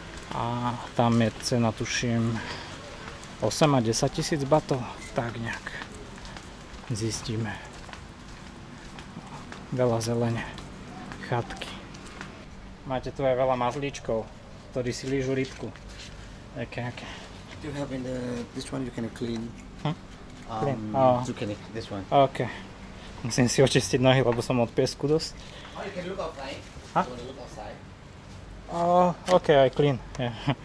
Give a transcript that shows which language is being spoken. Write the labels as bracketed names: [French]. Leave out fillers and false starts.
[Slovak] A tam je cena, tuším, 8 a 10 tisíc batov, tak nejak. Zistíme. Veľa zelene, chatky. Máte tu aj veľa mazlíčkov, ktorí si lížu rybku. Aké, aké. [English] You have in the, this one you can clean. Clean? Zucchini, this one. OK. [Slovak] Musím si očistiť nohy, lebo som od piesku dosť. [English] Oh, you can look outside. Huh? You want to look outside? Oh, OK, I clean. Yeah.